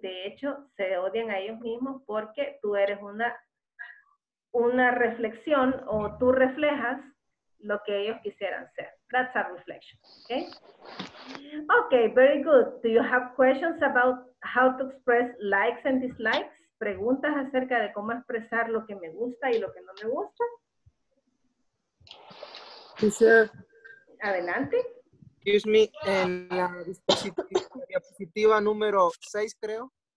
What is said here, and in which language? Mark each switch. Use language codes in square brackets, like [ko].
[es] De hecho, se odian a ellos mismos porque tú eres una reflexión o tú reflejas lo que ellos quisieran ser. [en] That's a reflection, okay? Okay, very good. Do you have questions about how to express likes and dislikes? [es] ¿Preguntas acerca de cómo expresar lo que me gusta y lo que no me gusta? [en] Teacher. [es] Adelante. [en] Excuse me, [es] en la diapositiva número 6, creo.